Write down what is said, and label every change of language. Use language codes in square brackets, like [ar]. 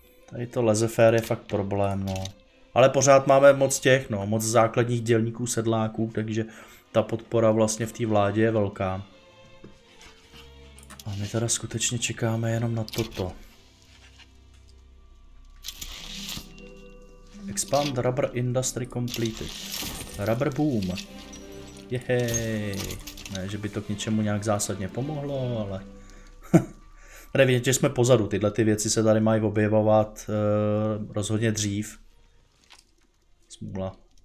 [cs] Tady to laissez-faire je fakt problém, no. Ale pořád máme moc základních dělníků, sedláků, takže ta podpora vlastně v té vládě je velká. A my teda skutečně čekáme jenom na toto. [en] Expand rubber industry completed. Rubber boom. Jehej. [cs] Ne, že by to k něčemu nějak zásadně pomohlo, ale... Nevím, že jsme pozadu, tyhle ty věci se tady mají objevovat rozhodně dřív. Smůla.